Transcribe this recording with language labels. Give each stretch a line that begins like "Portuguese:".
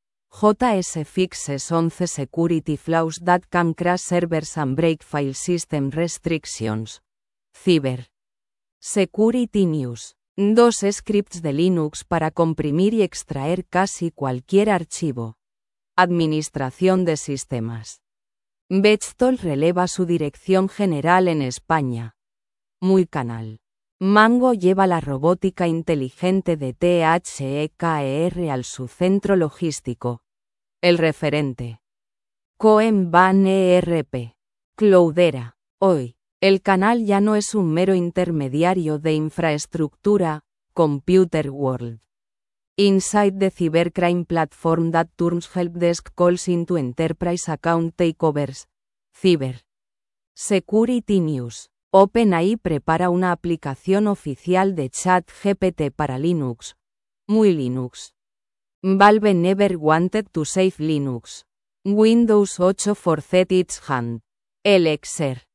English: JS fixes 11 security flaws that can crash servers and break file system restrictions. Cyber Security News.
Spanish: 2 scripts de Linux para comprimir y extraer casi cualquier archivo. Administración de sistemas. Bechtol releva su dirección general en España. Muy canal. Mango lleva la robótica inteligente de THEKER al su centro logístico. El referente. Coen Ban ERP. Cloudera. Hoy, el canal ya no es un mero intermediario de infraestructura, Computer World.
English: Inside the cybercrime platform that turns helpdesk calls into enterprise account takeovers. Cyber. Security News.
Spanish: OpenAI prepara una aplicación oficial de ChatGPT para Linux.
English: Muy Linux. Valve never wanted to save Linux. Windows 8 forced its hand. Elixir.